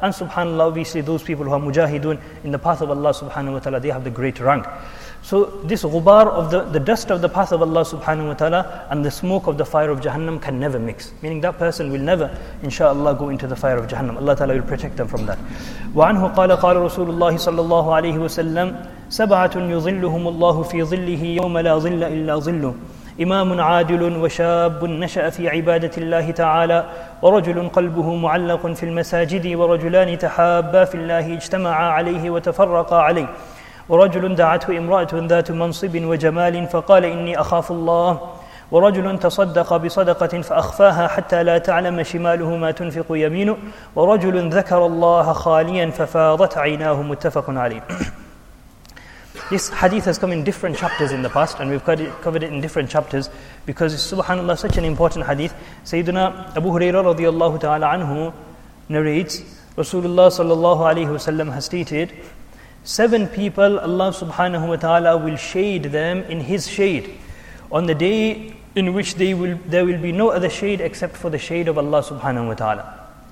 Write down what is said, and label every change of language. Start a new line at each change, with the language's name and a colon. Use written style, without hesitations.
English: And subhanAllah, obviously those people who are mujahidun in the path of Allah subhanahu wa ta'ala, they have the great rank. So this ghubar of the dust of the path of Allah subhanahu wa ta'ala and the smoke of the fire of Jahannam can never mix. Meaning that person will never, inshaAllah, go into the fire of Jahannam. Allah ta'ala will protect them from that.
Arabic: وَعَنْهُ قَالَ رَسُولُ sallallahu alayhi wa sallam. سبعة يظلهم الله في ظله يوم لا ظل إلا ظله إمام عادل وشاب نشأ في عبادة الله تعالى ورجل قلبه معلق في المساجد ورجلان تحابا في الله اجتمعا عليه وتفرقا عليه ورجل دعته امرأة ذات منصب وجمال فقال إني أخاف الله ورجل تصدق بصدقة فأخفاها حتى لا تعلم شماله ما تنفق يمينه ورجل ذكر الله خاليا ففاضت عيناه متفق عليه.
English: This hadith has come in different chapters in the past, and we've covered it in different chapters because it's, subhanAllah, such an important hadith. Sayyidina Abu Huraira radiallahu ta'ala anhu narrates, Rasulullah sallallahu alayhi wa sallam has stated, 7 people Allah subhanahu wa ta'ala will shade them in His shade on the day in which there will be no other shade except for the shade of Allah subhanahu wa ta'ala.